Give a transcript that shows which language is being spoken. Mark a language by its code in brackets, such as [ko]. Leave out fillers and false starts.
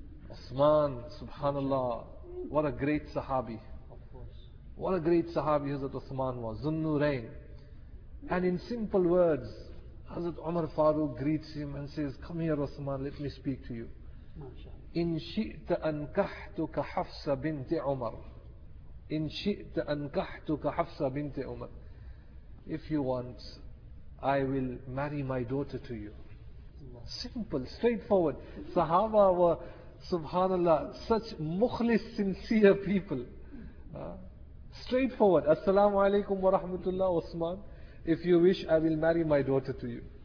[en] Uthman, subhanAllah, what a great Sahabi. What a great Sahabi Hazrat Uthman was, Zunnurain. And in simple words, Hazrat Umar Farooq greets him and says, come here Uthman, let me speak to you. [ar] In shi'ta ankahtuka Hafsa binti Umar. إن شئت أنكحتك حفصة بنت عمر. [en] If you want, I will marry my daughter to you. Simple, straightforward. Sahaba were, subhanAllah, such mukhlis, sincere people. Straightforward. Assalamu alaikum wa rahmatullah, Uthman. If you wish, I will marry my daughter to you.